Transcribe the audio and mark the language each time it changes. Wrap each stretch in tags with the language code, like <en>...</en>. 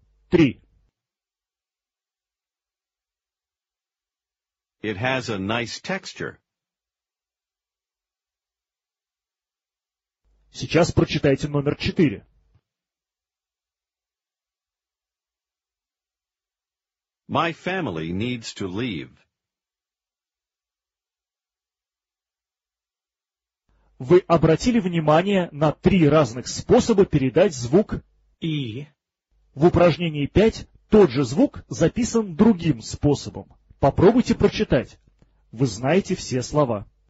<en>3. It has a nice texture.</en> <ru>Сейчас прочитайте номер 4.</ru> <en>My family needs to leave.</en> <ru>Вы обратили внимание на три разных способа передать звук «и»? В упражнении 5 тот же звук записан другим способом. Попробуйте прочитать. Вы знаете все слова.</ru>